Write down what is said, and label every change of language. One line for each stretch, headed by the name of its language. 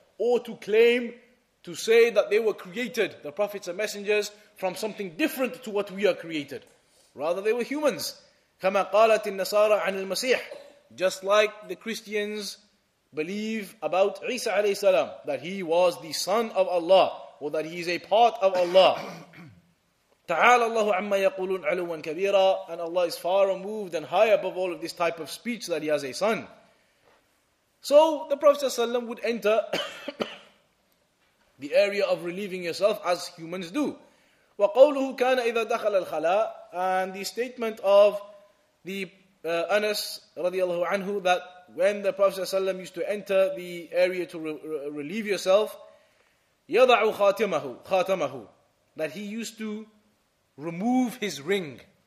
English: Or to claim, to say that they were created, the prophets and messengers, from something different to what we are created. Rather, they were humans.
Arabic: كَمَا قَالَتِ النَّصَارَى عَنِ الْمَسِيحِ.
English: Just like the Christians believe about Isa alayhi salam, that he was the son of Allah, or that he is a part of Allah.
Arabic: تعالى الله عما يقولون علوا كبيرا.
English: And Allah is far removed and high above all of this type of speech that he has a son. So the Prophet ﷺ would enter the area of relieving yourself as humans do.
Arabic: وقوله كان إذا دخل الخلاء.
English: And the statement of the Anas radiallahu anhu, that when the Prophet ﷺ used to enter the area to relieve yourself,
Arabic: يَضَعُ خَاتَمَهُ,
English: that he used to remove his ring.